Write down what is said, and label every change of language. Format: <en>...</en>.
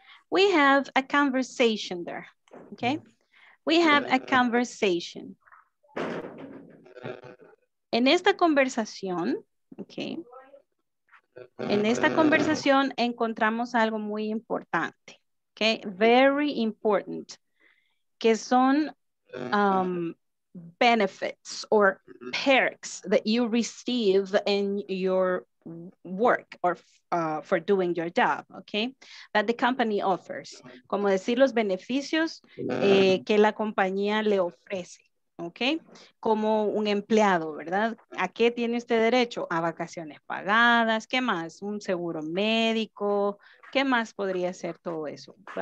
<en>We have a conversation there, okay? We have a conversation.</en> <es>En esta conversación, okay? En esta conversación encontramos algo muy importante, okay?</es> <en>Very important,</en> <es>que son</es> <en>benefits or perks that you receive in your work or for doing your job, okay? That the company offers.</en> <es>Como decir los beneficios que la compañía le ofrece, okay? Como un empleado, ¿verdad? ¿A qué tiene usted derecho? A vacaciones pagadas, ¿qué más? Un seguro médico, ¿qué más podría ser todo eso?</es>